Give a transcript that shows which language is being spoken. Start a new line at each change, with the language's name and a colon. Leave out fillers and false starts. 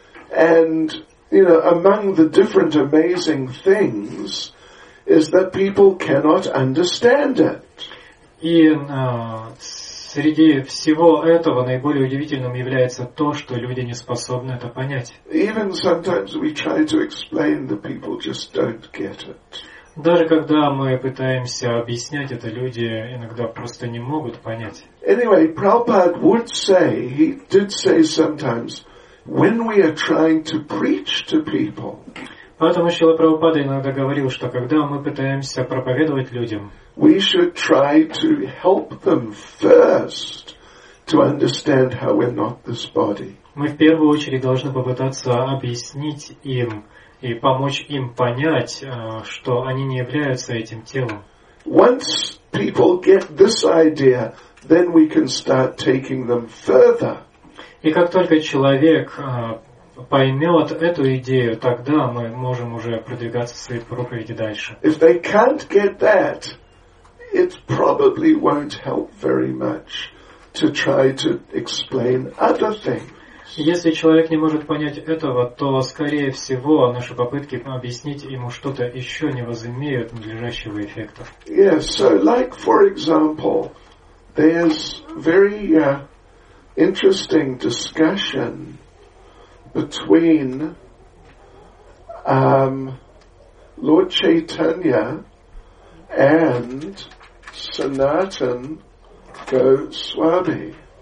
English: And you know, among the different amazing things is that people cannot understand it.
Russian: И среди всего этого наиболее удивительным является то, что люди не способны это понять.
English: Even sometimes we try to explain, the people just don't get it.
Russian: Даже когда мы пытаемся объяснять это, люди иногда просто не могут понять.
English: Anyway, Prabhupada would say, he did say sometimes, when we are trying to preach to people.
Russian: Поэтому Шрила Прабхупада иногда говорил, что когда мы пытаемся проповедовать людям,
English: we should try to help them first to understand how we're not this body.
Russian: Мы в первую очередь должны попытаться объяснить им и помочь им понять, что они не являются этим телом.
English: Once people get this idea, then we can start taking them further.
Russian: И как только человек поймет эту идею, тогда мы можем уже продвигаться в своей проповеди дальше.
English: If they can't get that, it probably won't help very much to try to explain other things.
Russian: Если человек не может понять этого, то, скорее всего, наши попытки объяснить ему что-то еще не возымеют надлежащего эффекта.
English: Yes, so like, for example, there's very interesting discussion between Lord Chaitanya and Sanatan Goswami.